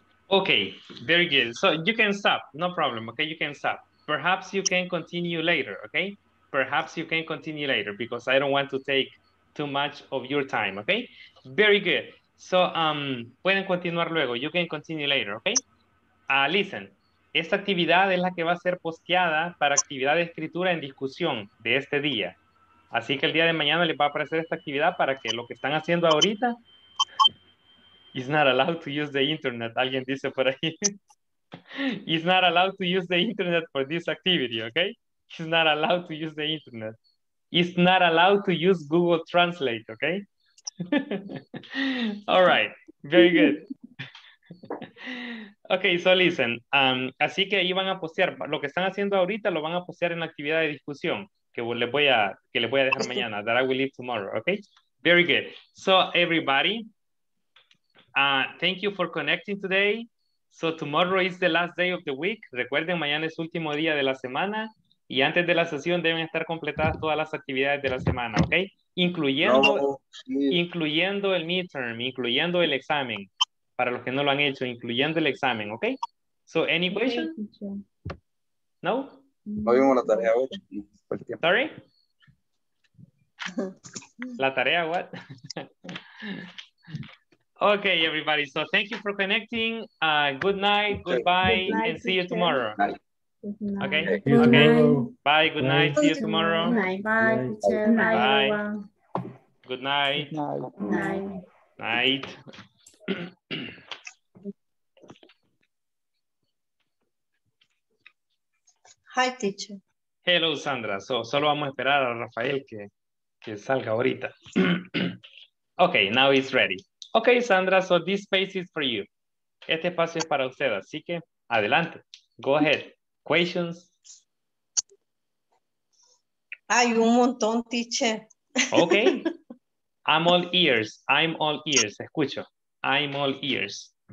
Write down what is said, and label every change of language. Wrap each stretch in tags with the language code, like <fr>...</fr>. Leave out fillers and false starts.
<en>Okay, very good. So you can stop, no problem, okay? You can stop. perhaps you can continue later, okay? Perhaps you can continue later because I don't want to take too much of your time, okay? Very good. So,</en> <es>pueden continuar luego.</es> <en>You can continue later, okay?</en> <es>Listen, esta actividad es la que va a ser posteada para actividad de escritura en discusión de este día. Así que el día de mañana les va a aparecer esta actividad para que lo que están haciendo ahorita...</es> <en>It's not allowed to use the internet,</en> <es>alguien dice por ahí.</es> <en>It's not allowed to use the internet for this activity, okay? It's not allowed to use the internet. It's not allowed to use Google Translate, okay? All right, very good. Okay, so listen.</en> <es>Así que ahí van a postear, lo que están haciendo ahorita lo van a postear en la actividad de discusión que les voy a dejar mañana,</es> <en>that I will leave tomorrow,</en> <es>okay?</es> <en>Very good. So everybody, thank you for connecting today. So tomorrow is the last day of the week.</en> <es>Recuerden, mañana es último día de la semana. Y antes de la sesión deben estar completadas todas las actividades de la semana, ¿ok? Incluyendo, incluyendo el midterm, incluyendo el examen. Para los que no lo han hecho, incluyendo el examen, ¿ok?</es> <en>So, any question? No?</en> <es>No vimos la tarea hoy.</es> <en>Sorry?</en> <es>La tarea, what?</es> <en>Okay, everybody. So, thank you for connecting. Good night, goodbye, good night, and see you tomorrow. Okay. Okay. Bye. Good night. See you tomorrow. Bye. Bye. Good night. Night. Night. Hi, teacher.</en> <es>Hello, Sandra. So, solo vamos a esperar a Rafael que salga ahorita.</es> <en>Okay. Now he's ready. Okay, Sandra, so this space is for you.</en> <es>Este espacio es para usted, así que adelante.</es> <en>Go ahead. Questions?</en> <es>Hay un montón, teacher.</es> <en>Okay. I'm all ears. I'm all ears.</en> <es>Escucho.</es> <en>I'm all ears.</en>